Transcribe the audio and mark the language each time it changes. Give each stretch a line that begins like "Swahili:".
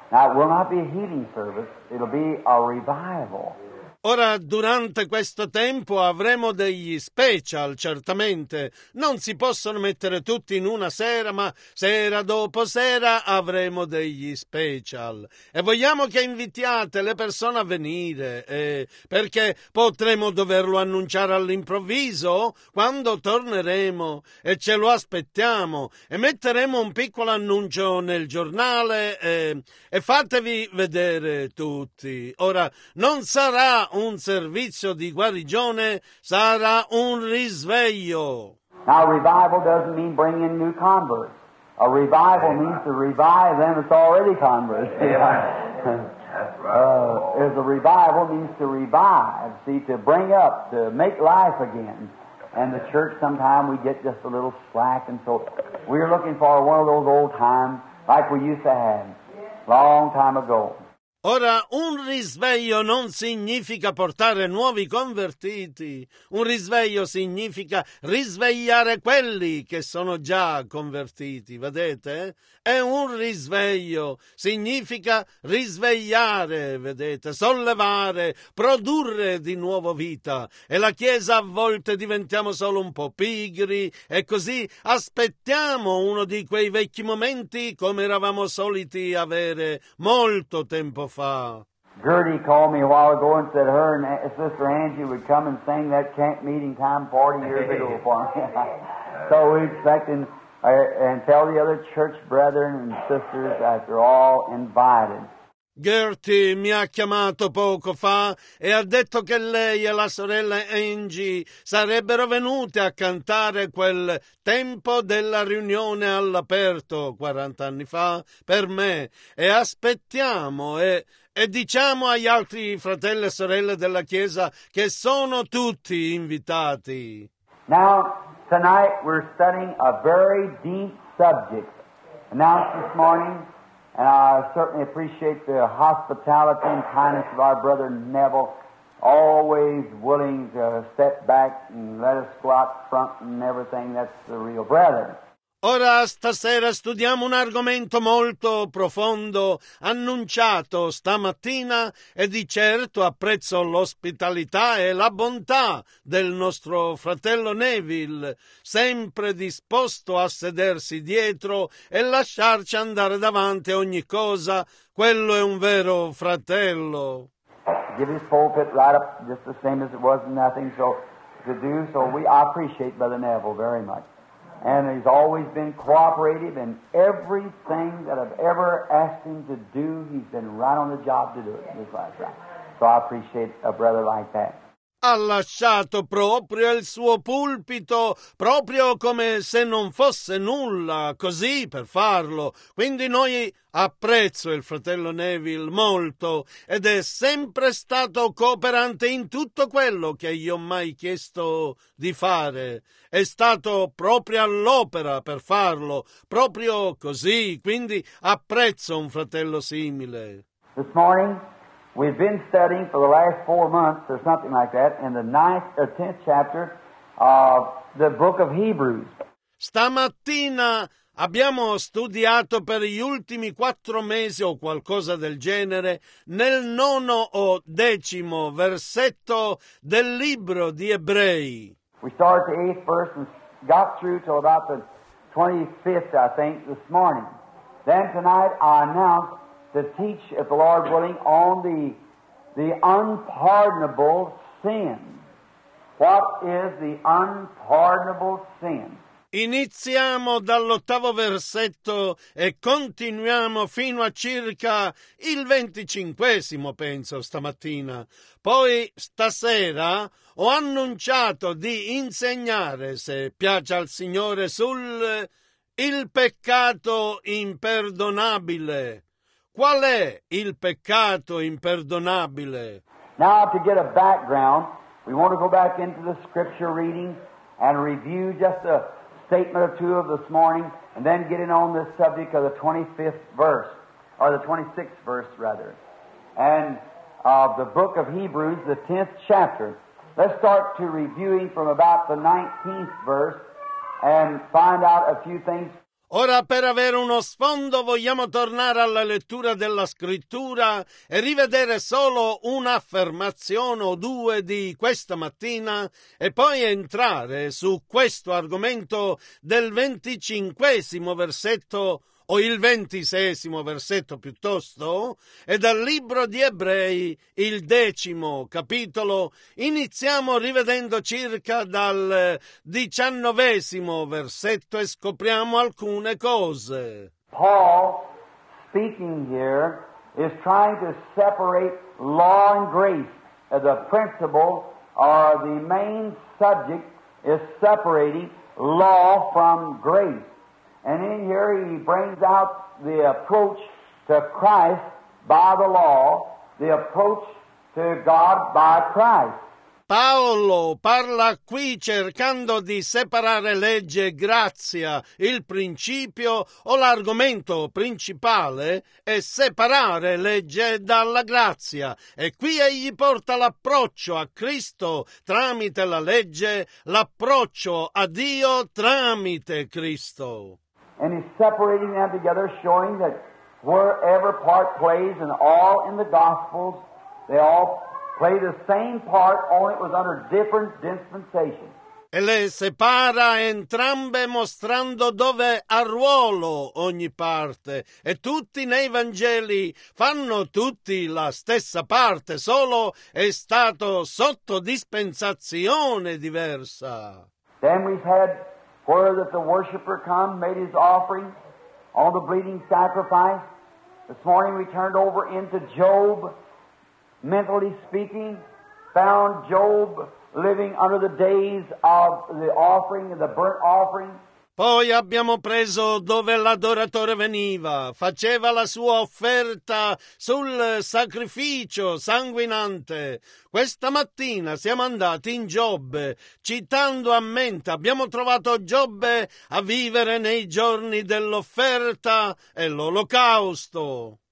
English: Now, it will not be a healing service, it'll be a revival.
Italian: Ora, durante questo tempo, avremo degli special, certamente. Non si possono mettere tutti in una sera, ma sera dopo sera avremo degli special. E vogliamo che invitiate le persone a venire, perché potremo doverlo annunciare all'improvviso quando torneremo e ce lo aspettiamo. E metteremo un piccolo annuncio nel giornale e fatevi vedere tutti. Ora, non sarà un servizio di guarigione, sarà un risveglio.
English: Now, revival doesn't mean bring in new converts. A revival Amen. Means to revive them that's already converts. Yeah. That's right. A revival means to revive, see, to bring up, to make life again. And the church, sometime we get just a little slack, and so we're looking for one of those old times like we used to have long time ago.
Italian: Ora, un risveglio non significa portare nuovi convertiti. Un risveglio significa risvegliare quelli che sono già convertiti, vedete? È un risveglio, significa risvegliare, vedete, sollevare, produrre di nuovo vita. E la Chiesa a volte diventiamo solo un po' pigri e così aspettiamo uno di quei vecchi momenti come eravamo soliti avere molto tempo fa.
English: Gertie called me a while ago and said her and Sister Angie would come and sing that camp meeting time 40 years ago for me. So we're expecting and tell the other church brethren and sisters that they're all invited.
Italian: Gertie mi ha chiamato poco fa e ha detto che lei e la sorella Angie sarebbero venute a cantare quel tempo della riunione all'aperto 40 anni fa per me. E aspettiamo e diciamo agli altri fratelli e sorelle della Chiesa che sono tutti invitati.
English: Now, tonight we're studying a very deep subject. Announced this morning. And I certainly appreciate the hospitality and kindness of our brother Neville, always willing to step back and let us go out front and everything. That's the real brother.
Italian: Ora stasera studiamo un argomento molto profondo annunciato stamattina e di certo apprezzo l'ospitalità e la bontà del nostro fratello Neville, sempre disposto a sedersi dietro e lasciarci andare davanti a ogni cosa. Quello è un vero fratello.
English: Give his pulpit right up just the same as it was nothing so to do, so we appreciate Brother Neville very much. And he's always been cooperative in everything that I've ever asked him to do. He's been right on the job to do it in this last round. So I appreciate a brother like that.
Italian: Ha lasciato proprio il suo pulpito, proprio come se non fosse nulla, così per farlo. Quindi noi apprezzo il fratello Neville molto ed è sempre stato cooperante in tutto quello che gli ho mai chiesto di fare. È stato proprio all'opera per farlo, proprio così. Quindi apprezzo un fratello simile.
English: This morning. We've been studying for the last 4 months or something like that in the 9th or 10th chapter of the book of Hebrews.
Italian: Stamattina abbiamo studiato per gli ultimi 4 mesi o qualcosa del genere nel 9° o 10° versetto del libro di Ebrei.
English: We started the 8th verse and got through till about the 25th, I think, this morning. Then tonight I announced to teach, if the Lord willing, on the unpardonable sin. What is the unpardonable sin?
Italian: Iniziamo dall'ottavo versetto e continuiamo fino a circa il venticinquesimo, penso, stamattina. Poi, stasera, ho annunciato di insegnare, se piace al Signore, sul il peccato imperdonabile. Qual è il peccato imperdonabile?
English: Now, to get a background, we want to go back into the scripture reading and review just a statement or two of this morning, and then get in on this subject of the 25th verse, or the 26th verse, rather, and of the book of Hebrews, the 10th chapter. Let's start to reviewing from about the 19th verse and find out a few things.
Italian: Ora, per avere uno sfondo, vogliamo tornare alla lettura della scrittura e rivedere solo un'affermazione o due di questa mattina e poi entrare su questo argomento del 25esimo versetto o il 26esimo versetto piuttosto, e dal libro di Ebrei, il 10° capitolo, iniziamo rivedendo circa dal 19° versetto e scopriamo alcune cose.
English: Paul, speaking here, is trying to separate law and grace. The principle, or the main subject, is separating law from grace. And in here he brings out the approach to Christ by the law, the approach to God by Christ.
Italian: Paolo parla qui cercando di separare legge e grazia, il principio o l'argomento principale, e separare legge dalla grazia. E qui egli porta l'approccio a Cristo tramite la legge, l'approccio a Dio tramite Cristo.
English: And he's separating them together, showing that wherever part plays, and all in the Gospels, they all play the same part, only it was under different dispensations.
Italian: E le separa entrambe, mostrando dove ha ruolo ogni parte. E tutti nei Vangeli fanno tutti la stessa parte, solo è stato sotto dispensazione diversa.
English: Then we've had where that the worshiper come, made his offering on the bleeding sacrifice. This morning we turned over into Job, mentally speaking, found Job living under the days of the offering, the burnt offering.
Italian: Poi abbiamo preso dove l'adoratore veniva, faceva la sua offerta sul sacrificio sanguinante. Questa mattina siamo andati in Giobbe, citando a mente, abbiamo trovato Giobbe a vivere nei giorni dell'offerta e l'olocausto.